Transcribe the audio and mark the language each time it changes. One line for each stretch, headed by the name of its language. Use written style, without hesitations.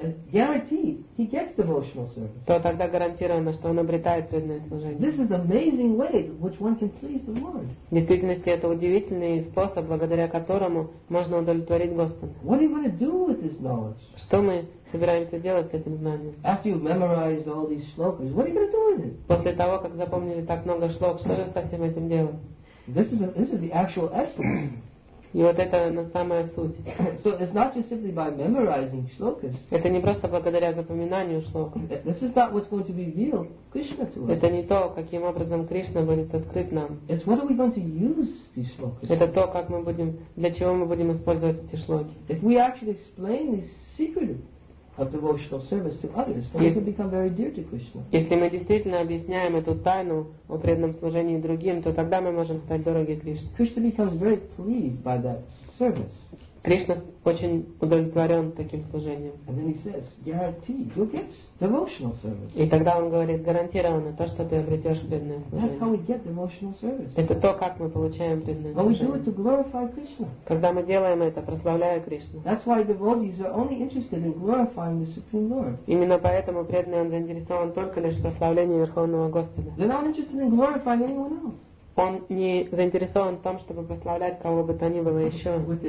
English: Guaranteed, he gets devotional service.
Russian: То тогда гарантировано, что он обретает преданное служение.
English: This is an amazing way which one can please the Lord.
Russian: В действительности, это удивительный способ, благодаря которому можно удовлетворить Господа.
English: What are you going to do with this knowledge?
Russian: Что мы собираемся делать с этим знанием?
English: After you've memorized all these shlokas, what are you going to do with it?
Russian: После того, как запомнили так много шлок, что же со всем этим делать?
English: This is the actual essence.
Russian: И вот это на самая суть.
English: So it's not just simply by memorizing shlokas.
Russian: Это не просто благодаря запоминанию шлок.
English: This is not what's going to reveal Krishna to us.
Russian: Это не то, каким образом Кришна будет открыт нам.
English: It's what are we going to use these shlokas?
Russian: Это то, как мы будем, для чего мы будем использовать эти шлоки.
English: If we actually explain the secret of devotional service to others, then it can become very dear to Krishna.
Russian: Если мы действительно объясняем эту тайну о преданном служении другим, то тогда мы можем стать дороги Кришне.
English: Krishna becomes very pleased by that service.
Russian: Кришна очень удовлетворен таким служением.
English: And then he says, guaranteed, you'll get devotional service.
Russian: И тогда он говорит, гарантированно то, что ты обретешь преданное служение.
English: That's how we get devotional service.
Russian: Это то, как мы получаем преданное служение.
English: But we do it to glorify Krishna.
Russian: Когда мы делаем это, прославляя Кришну.
English: That's why devotees are only interested in glorifying the Supreme Lord.
Russian: Именно поэтому преданный он заинтересован только лишь в прославлении Верховного Господа.
English: They're not interested in glorifying anyone else.
Russian: Он не заинтересован в том, чтобы прославлять кого бы то ни было еще.